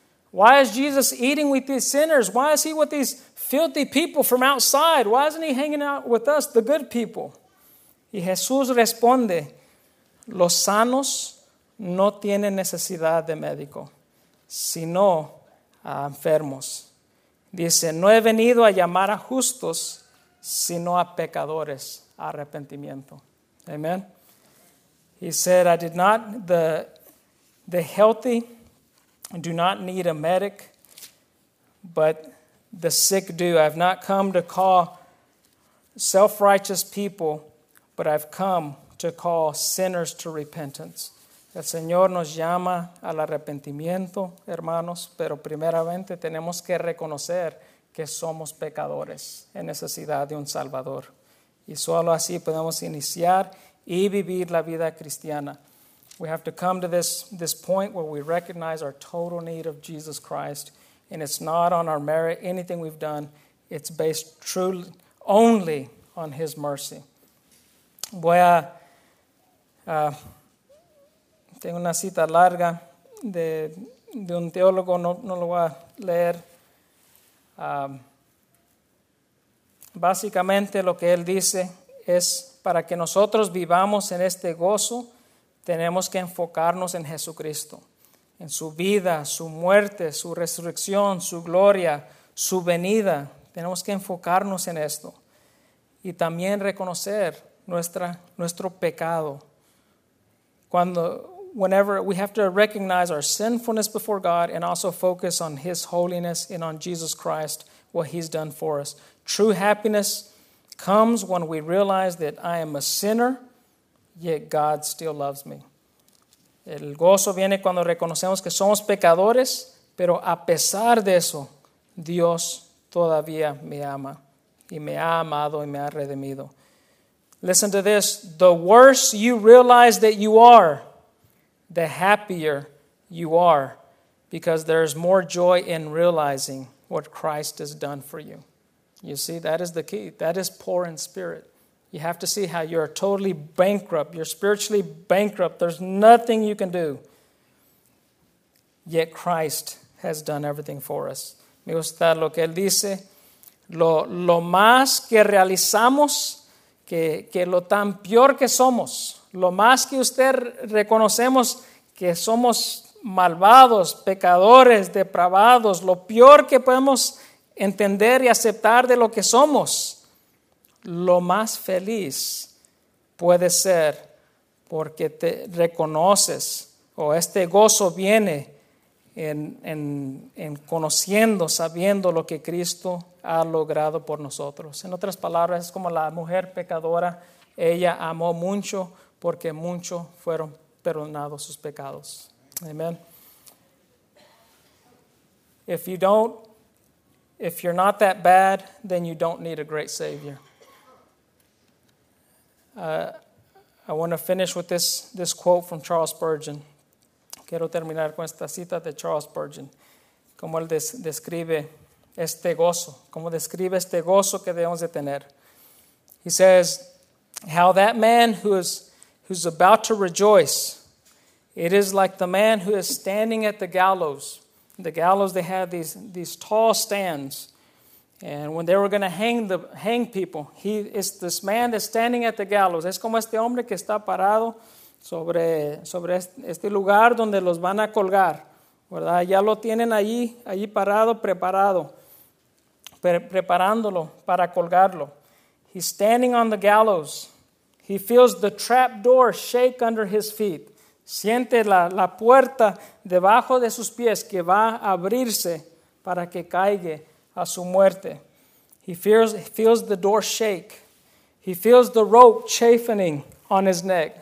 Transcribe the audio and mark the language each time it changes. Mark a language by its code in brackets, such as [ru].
[en] Why is Jesus eating with these sinners? Why is he with these filthy people from outside? Why isn't he hanging out with us, the good people? [es] Y Jesús responde, los sanos no tienen necesidad de médico, sino a enfermos. Dice, no he venido a llamar a justos, sino a pecadores, a arrepentimiento. Amen. [en] He said, I did not, the healthy do not need a medic, but the sick do. I have not come to call self-righteous people, but I've come to call sinners to repentance. [es] El Señor nos llama al arrepentimiento, hermanos, pero primeramente tenemos que reconocer que somos pecadores en necesidad de un Salvador. Y solo así podemos iniciar y vivir la vida cristiana. [en] We have to come to this point where we recognize our total need of Jesus Christ, and it's not on our merit, anything we've done. It's based truly only on His mercy. [es] Voy a... Tengo una cita larga de un teólogo, no lo voy a leer. Básicamente lo que él dice es, para que nosotros vivamos en este gozo, tenemos que enfocarnos en Jesucristo, en su vida, su muerte, su resurrección, su gloria, su venida. Tenemos que enfocarnos en esto y también reconocer nuestro pecado. [en] Whenever we have to recognize our sinfulness before God and also focus on His holiness and on Jesus Christ, what He's done for us. True happiness comes when we realize that I am a sinner, yet God still loves me. [es] El gozo viene cuando reconocemos que somos pecadores, pero a pesar de eso, Dios todavía me ama y me ha amado y me ha redimido. [en] Listen to this. The worse you realize that you are, the happier you are, because there is more joy in realizing what Christ has done for you. You see, that is the key. That is poor in spirit. You have to see how you're totally bankrupt. You're spiritually bankrupt. There's nothing you can do. Yet Christ has done everything for us. [es] Me gusta lo que él dice. Lo más que realizamos, que lo tan peor que somos, lo más que usted reconocemos que somos malvados, pecadores, depravados, lo peor que podemos entender y aceptar de lo que somos, lo más feliz puede ser porque te reconoces, o este gozo viene en conociendo, sabiendo lo que Cristo ha logrado por nosotros. En otras palabras, es como la mujer pecadora, ella amó mucho, porque mucho fueron perdonados sus pecados. Amen. [en] If you're not that bad, then you don't need a great Savior. I want to finish with this quote from Charles Spurgeon. [es] Quiero terminar con esta cita de Charles Spurgeon. Como él describe este gozo. Como describe este gozo que debemos de tener. [en] He says, how that man who's about to rejoice, it is like the man who is standing at the gallows. The gallows, they have these tall stands. And when they were going to hang people, he is this man that's standing at the gallows. [es] Es como este hombre que está parado sobre este lugar donde los van a colgar, ¿verdad? Ya lo tienen allí parado, preparado, preparándolo para colgarlo. [en] He's standing on the gallows. He feels the trap door shake under his feet. [es] Siente la puerta debajo de sus pies que va a abrirse para que caiga a su muerte. [en] He feels the door shake. He feels the rope chafing on his neck.